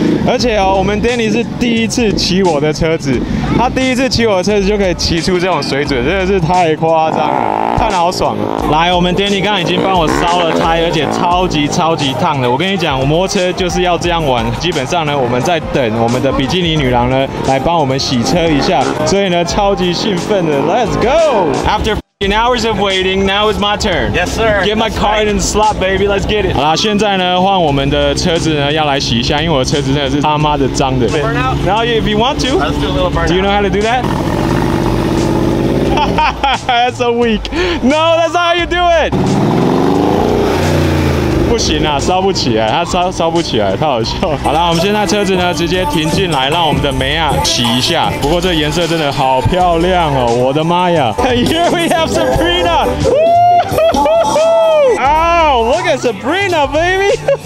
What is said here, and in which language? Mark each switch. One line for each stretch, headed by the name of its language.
Chinese: 而且哦，我们 Danny 是第一次骑我的车子，他第一次骑我的车子就可以骑出这种水准，真的是太夸张了，看得好爽啊！来，我们 Danny 刚刚已经帮我烧了胎，而且超级超级烫的。我跟你讲，我摩托车就是要这样玩。基本上呢，我们在等我们的比基尼女郎呢来帮我们洗车一下，所以呢，超级兴奋的 ，
English: Let's go！ After In hours of waiting, now is my turn. Yes, sir. Get my car in the slot, baby. Let's get it.
Chinese: 好啦，现在呢，换我们的车子呢，要来洗一下，因为我的车子真的是他妈的脏的。
English: Now, if you want to, let's do a little burnout. Do you know how to do that? That's a weak. No, that's not how you do it.
Chinese: 不行啊，烧不起来，他烧不起来，太好笑。好啦，我们现在车子呢，直接停进来，让我们的梅亚洗一下。不过这颜色真的好漂亮哦，我的妈呀
English: ！Here we have Sabrina. Oh, look at Sabrina, baby.